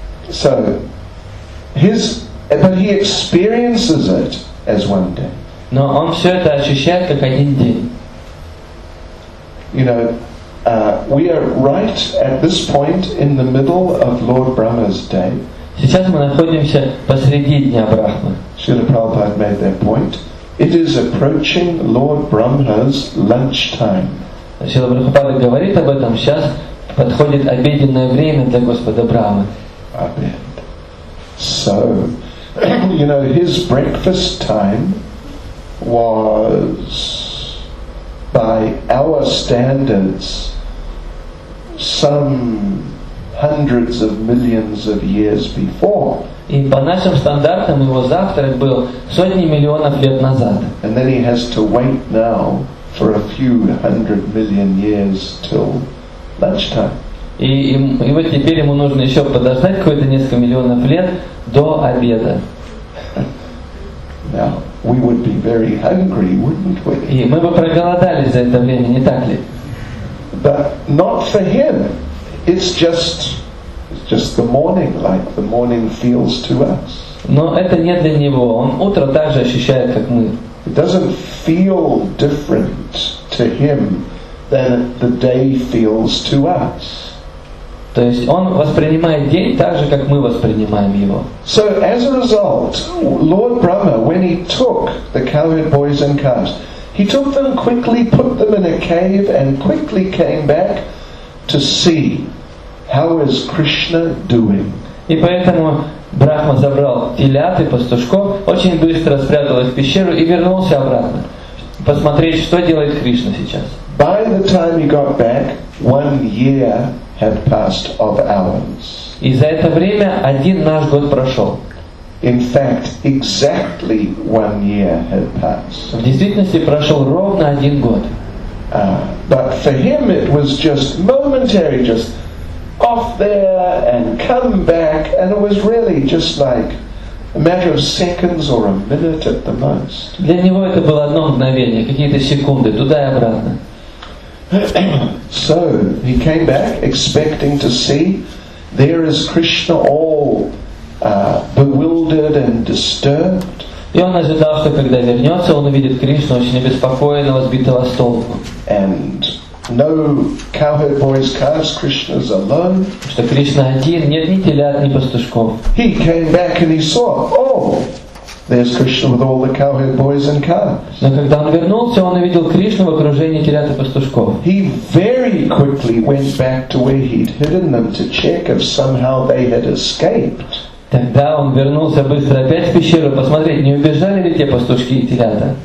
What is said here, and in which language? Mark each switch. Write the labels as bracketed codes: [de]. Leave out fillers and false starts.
[en] So, but he experiences it as one day. [ru] Но он все это ощущает как один день. [en] You know, we are right at this point in the middle of Lord Brahma's day. [ru] Сейчас мы находимся посреди дня Брахмы. [en] Шрила Прабхупада made that point. It is approaching Lord Brahma's lunch time. [ru] Шрила Прабхупада говорит об этом. Сейчас подходит обеденное время для Господа Брахмы. Обед. [en] So, you know, his breakfast time was, by our standards, some hundreds of millions of years before. [ru] И по нашим стандартам его завтрак был сотни миллионов лет назад. [en] And then he has to wait now for a few hundred million years till lunchtime. [ru] И вот теперь ему нужно еще подождать какое-то несколько миллионов лет до обеда. [en] Now, we would be very hungry, wouldn't we? [ru] И мы бы проголодались за это время, не так ли? [en] But not for him. It's just the morning, like the morning feels to us. [ru] Но это не для него. Он утро так же ощущает, как мы. [en] It doesn't feel different to him than the day feels to us. [ru] То есть он воспринимает день так же, как мы воспринимаем его. [en] So as a result, Lord Brahma, when he took the cowherd boys and calves, he took them quickly, put them in a cave, and quickly came back to see how is Krishna doing. [ru] И поэтому Брахма забрал телят и пастушков, очень быстро спряталась в пещеру и вернулся обратно, посмотреть, что делает Кришна сейчас. [en] By the time he got back, 1 year had passed of ours. [ru] И за это время один наш год прошел. [en] In fact, exactly 1 year had passed. [ru] В действительности прошел ровно один год. [en] But for him it was just momentary, just off there and come back, and it was really just like a matter of seconds or a minute at the most. [ru] Для него это было одно мгновение, какие-то секунды, туда и обратно. [en] So he came back expecting to see there is Krishna all bewildered and disturbed. [ru] И он ожидал, что когда вернется, он увидит Кришну очень обеспокоенного, сбитого с толку. [en] And no cowherd boys, calves, Krishna's alone. [ru] Что Кришна один, нет ни телят, ни пастушков. [en] He came back and he saw, oh, there's Krishna with all the cowherd boys and calves. [ru] Но когда он вернулся, он увидел Кришну в окружении телят и пастушков. [en] He very quickly went back to where he'd hidden them to check if somehow they had escaped. [ru] Тогда он вернулся быстро опять в пещеру, посмотреть, не убежали ли те пастушки и телята.